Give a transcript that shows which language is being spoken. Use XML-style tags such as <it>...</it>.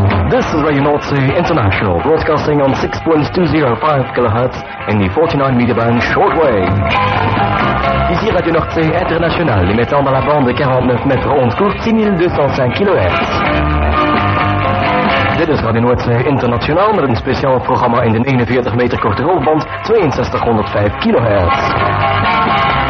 <en>This is Radio North Sea International, broadcasting on 6.205 kHz in the 49 meter band shortwave.</en> <fr>Ici Radio Norte International, émettant dans la bande de 49 mètres ondes courtes, 6205 kHz.</fr> <nl>Dit is Radio Norte International met een speciaal programma in de 41 meter korte golfband, 6205 kHz.</nl>